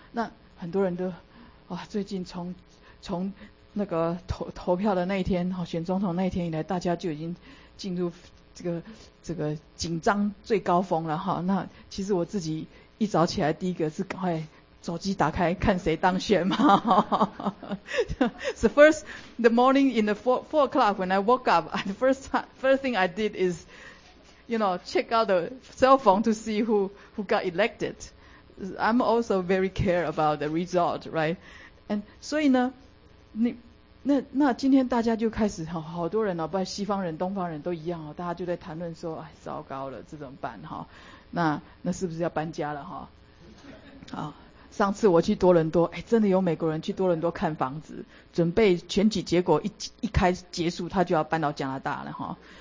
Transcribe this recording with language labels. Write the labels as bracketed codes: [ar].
[zh] 那很多人都啊，最近从那个投票的那一天，哈，选总统那一天以来，大家就已经进入这个紧张最高峰了哈。那其实我自己一早起来，第一个是赶快手机打开看谁当选嘛。 [en] So first the morning in the four o'clock when I woke up, the first thing I did is, you know, check out the cell phone to see who got elected. I'm also very care about the result, right? [zh] And 所以呢，那今天大家就开始好多人哦，不然西方人、东方人都一样哦，大家就在谈论说，哎，糟糕了，这怎么办哈？那是不是要搬家了哈？啊。上次我去多伦多，哎，真的有美国人去多伦多看房子，准备选举结果一开始结束，他就要搬到加拿大了哈。